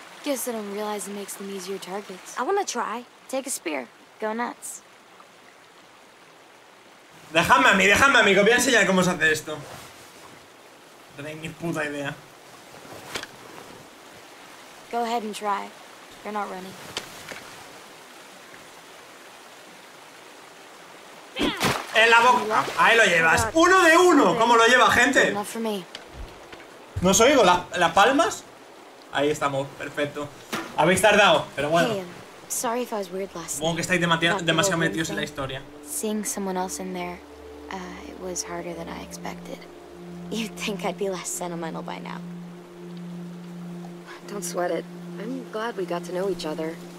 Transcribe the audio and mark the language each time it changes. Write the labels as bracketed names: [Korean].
[English] Guess I don't realize it makes them easier targets. I wanna try. Take a spear. Go nuts. [Spanish] Déjame a mí, que os voy a enseñar cómo se hace esto. No tenéis ni puta idea. [English] Go ahead and try. You're not running. [Spanish] En la boca. Ahí lo llevas. Uno de uno. ¿Cómo lo lleva, gente? No os oigo. ¿Las palmas? Ahí estamos. Perfecto. Habéis tardado, pero bueno. [English] Sorry if I was weird last night. [Spanish] Supongo que estáis demasiado metidos en la historia. [English] Seeing someone else in there, it was harder than I expected. You'd think I'd be less sentimental by now. Don't sweat it. I'm glad we got to know each other.